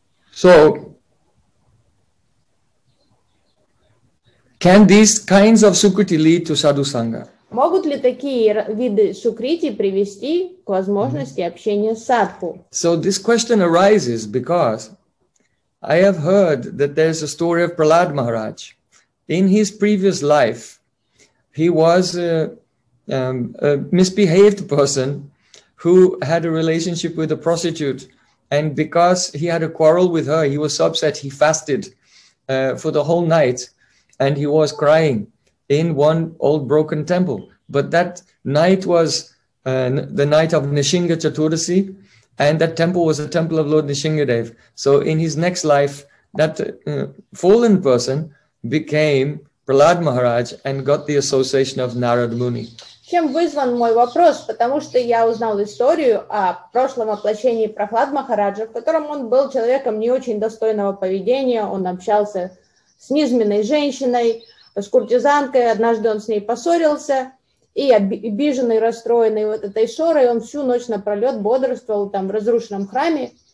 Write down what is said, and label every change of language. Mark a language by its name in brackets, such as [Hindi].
[English] So, can these kinds of sukriti lead to sadhu sangha? [Russian] Могут ли такие виды сукрити привести к возможности общения с садху? [English] So this question arises because I have heard that there's a story of Prahlad Maharaj. In his previous life, he was a misbehaved person who had a relationship with a prostitute, and because he had a quarrel with her, he was so upset, he fasted for the whole night. And he was crying in one old broken temple. But that night was the night of Nishinga Chaturdasi, and that temple was the temple of Lord Nishingadev. So in his next life, that fallen person became Prahlad Maharaj and got the association of Narad Muni. [Russian] Чем вызван мой вопрос? Потому что я узнал историю о прошлом воплощении Прахлад Махараджа, в котором он был человеком не очень достойного поведения, он общался с низменной женщиной, с куртизанкой, однажды он с ней поссорился, и обиженный, расстроенный вот этой ссорой, он всю ночь напролет бодрствовал там в разрушенном храме,